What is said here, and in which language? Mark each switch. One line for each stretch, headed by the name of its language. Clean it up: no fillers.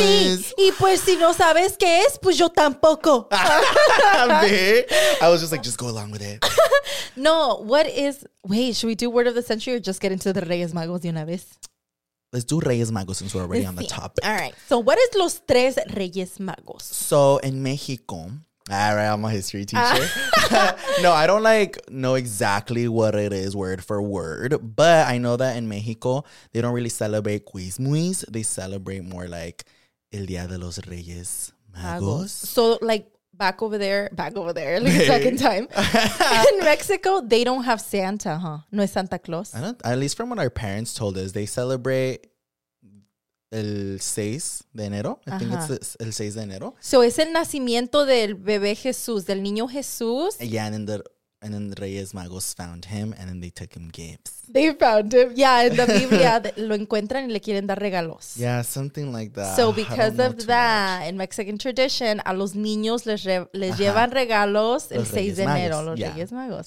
Spanish: Sí, y pues si no sabes qué es, pues yo tampoco.
English: I was just like, just go along with it. No, what is, wait, should we do Word of the Century or just get into the Reyes Magos
Spanish: de una vez?
English: Let's do Reyes Magos since we're already on the topic. All right. So what is Los Tres Reyes Magos? So in Mexico, all right, I'm a history teacher. No, I don't like know exactly what it is word for word, but I know that in Mexico, they don't really celebrate Christmas. They celebrate more like El Día de los Reyes Magos. So like back over there, like second time. In Mexico, they don't have Santa, huh?
Spanish: No es Santa Claus.
English: I don't, at least from what our parents told us, they celebrate
Spanish: el 6 de enero.
English: I think it's
Spanish: el 6 de enero. So es el nacimiento del bebé Jesús, del niño Jesús.
English: Yeah, and then the Reyes Magos found him, and then they took him gifts. They found him. Yeah, in the
Spanish: Biblia, lo encuentran y le quieren dar regalos.
English: Yeah, something like that. So because of that, in Mexican tradition,
Spanish: a los niños les llevan regalos el 6 de enero, los Reyes Magos.